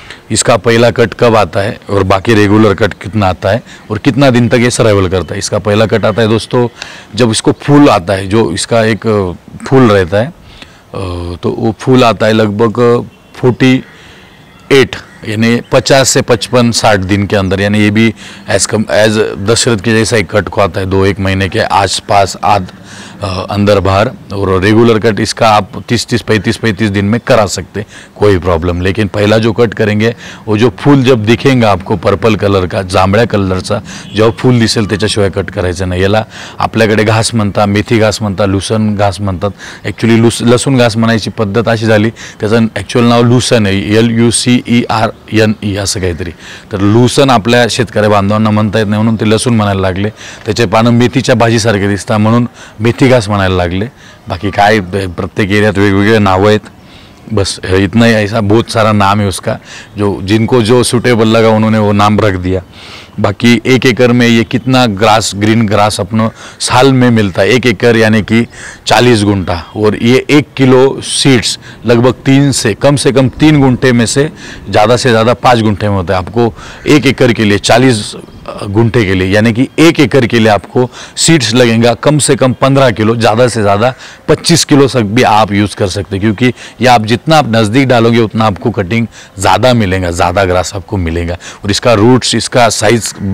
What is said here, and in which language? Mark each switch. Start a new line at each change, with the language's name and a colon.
Hindi: इसका पहला कट कब आता है और बाकी रेगुलर कट कितना आता है और कितना दिन तक ये सर्वाइवल करता है, इसका पहला कट आता है दोस्तों जब इसको फूल आता है, जो इसका एक फूल रहता है तो वो फूल आता है लगभग 48 यानी 50-55-60 दिन के अंदर, यानी ये भी एज दशरथ के जैसा ही कट को आता है 2-1 महीने के आसपास अंदर बाहर, और रेगुलर कट इसका आप 30-35 दिन में करा सकते कोई प्रॉब्लम। लेकिन पहला जो कट करेंगे वो जो फूल जब दिखेंगे आपको पर्पल कलर का
Marathi: जांभळ्या कलर का जो फूल दिसेल त्याच्याशिवाय कट करायचं नाही, याला आपल्याकडे घास म्हणता, मेथी घास म्हणता, लुसन घास म्हणतात, ॲक्च्युली लसूण घास म्हणायची पद्धत अशी झाली, त्याचं ॲक्च्युअल नाव लुसन आहे, LUCERNE असं काहीतरी, तर लुसन आपल्या शेतकरी बांधवांना म्हणता येत नाही म्हणून ते लसूण म्हणायला लागले, त्याचे पानं मेथीच्या भाजीसारखे दिसतात म्हणून मेथी घास म्हणायला लागले, बाकी काय प्रत्येक एरियात वेगवेगळे नावं आहेत,
Hindi: बस इतना ही ऐसा बहुत सारा नाम है उसका, जो जिनको जो सुटेबल लगा उन्होंने वो नाम रख दिया। बाकी 1 एकड़ में ये कितना ग्रास ग्रीन ग्रास अपनों साल में मिलता है, 1 एकड़ यानी कि 40 गुंटा, और ये 1 किलो सीड्स लगभग 3 गुंटे में से ज़्यादा से ज़्यादा 5 गुंटे में होता है, आपको 1 एकड़ के लिए 40 गुंटे के लिए यानी कि 1 एकड़ के लिए आपको सीड्स लगेगा कम से कम 15 किलो, ज़्यादा से ज़्यादा 25 किलो तक भी आप यूज़ कर सकते हैं, क्योंकि ये आप जितना आप नज़दीक डालोगे उतना आपको कटिंग ज़्यादा मिलेगा, ज़्यादा ग्रास आपको मिलेगा, और इसका रूट्स इसका साइज़